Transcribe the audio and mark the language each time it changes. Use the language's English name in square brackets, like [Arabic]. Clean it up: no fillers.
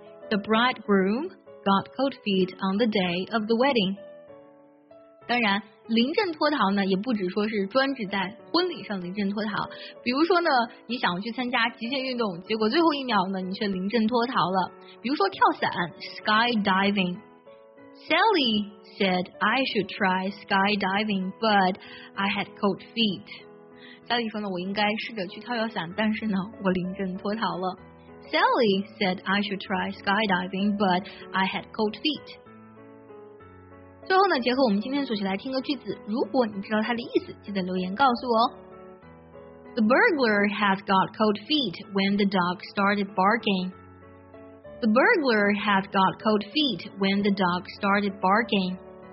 [English] The bridegroom got cold feet on the day of the wedding. [Chinese] 当然临阵脱逃呢也不只说是专指在婚礼上临阵脱逃，比如说呢你想要去参加极限运动，结果最后一秒呢你却临阵脱逃了，比如说跳伞 skydiving。 [English] Sally said I should try skydiving but I had cold feet. [Chinese] Sally 说呢我应该试着去跳伞，但是呢我临阵脱逃了。 [English] Sally said I should try skydiving but I had cold feet. [Chinese] 最后呢，结合我们今天所学来听个句子，如果你知道它的意思，记得留言告诉我哦。 [English] The burglar has got cold feet when the dog started barking. The burglar has got cold feet when the dog started barking.